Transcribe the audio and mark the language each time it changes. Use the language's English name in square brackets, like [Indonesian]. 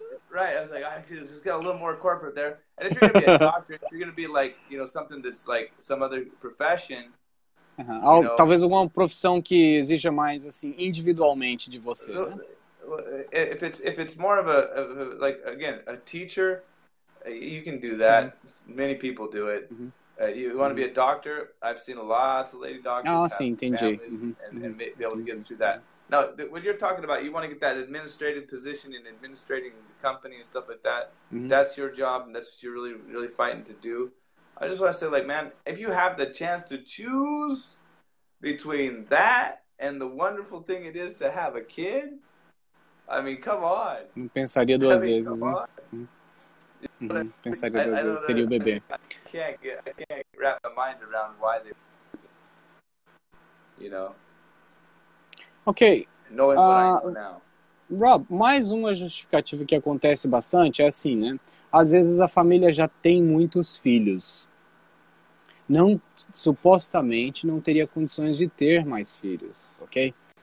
[English] Right. I was like, I could just get a little more corporate there. And if you're going to be a doctor, if you're going to be like, you know, something that's like some other profession, [Portuguese] talvez alguma profissão que exija mais assim individualmente de você. [English] If it's more of a teacher, you can do that. Mm-hmm. Many people do it. You want to be a doctor? I've seen lots of lady doctors and be able to get through that. Now, what you're talking about, you want to get that administrative position in administrating the company and stuff like that. Mm-hmm. That's your job, and that's what you're really, really fighting to do. I just want to say, like, man, if you have the chance to choose between that and the wonderful thing it is to have a kid, I mean, come on. [Portuguese] Não pensaria duas vezes, né? Pensaria duas vezes, teria o bebê. [English] I can't wrap my mind around why they, you know. Okay. Knowing what I know now. [Portuguese] Rob, mais uma justificativa que acontece bastante é assim, né? Às vezes a família já tem muitos filhos. Não, supostamente não teria condições de ter mais filhos, ok?